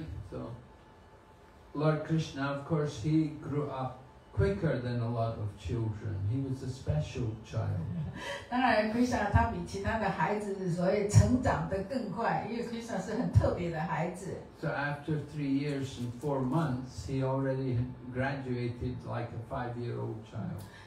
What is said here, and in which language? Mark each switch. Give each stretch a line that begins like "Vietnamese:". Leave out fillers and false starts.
English: So, Lord Krishna, of course, he grew up quicker than a lot of children. He was a special child.
Chinese: 当然, Krishna他比其他的孩子所以成长得更快, 因为Krishna是很特别的孩子。
English: So after 3 years and 4 months, he already graduated like a 5-year-old child.